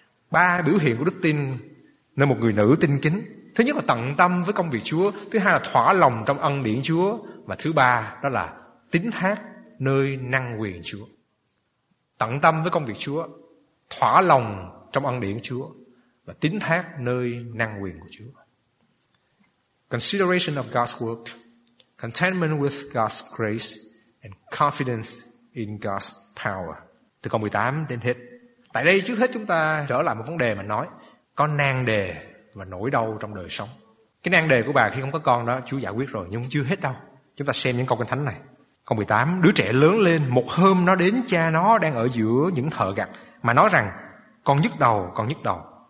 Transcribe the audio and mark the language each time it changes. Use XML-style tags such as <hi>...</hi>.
<vi>Ba biểu hiện của đức tin nơi một người nữ tin kính. Thứ nhất là tận tâm với công việc Chúa. Thứ hai là thỏa lòng trong ân điển Chúa. Và thứ ba đó là tín thác nơi năng quyền Chúa. Tận tâm với công việc Chúa, thỏa lòng trong ân điển Chúa và tín thác nơi năng quyền của Chúa.</vi> <en>Consideration of God's work, contentment with God's grace, and confidence in God's power.</en> <vi>Từ câu 18 đến hết. Tại đây trước hết chúng ta trở lại một vấn đề mà nói, có nan đề và nỗi đau trong đời sống. Cái nan đề của bà khi không có con đó, Chúa giải quyết rồi, nhưng chưa hết đâu. Chúng ta xem những câu kinh thánh này. Câu 18, đứa trẻ lớn lên, một hôm nó đến cha nó đang ở giữa những thợ gặt, mà nói rằng, con nhức đầu, con nhức đầu.</vi>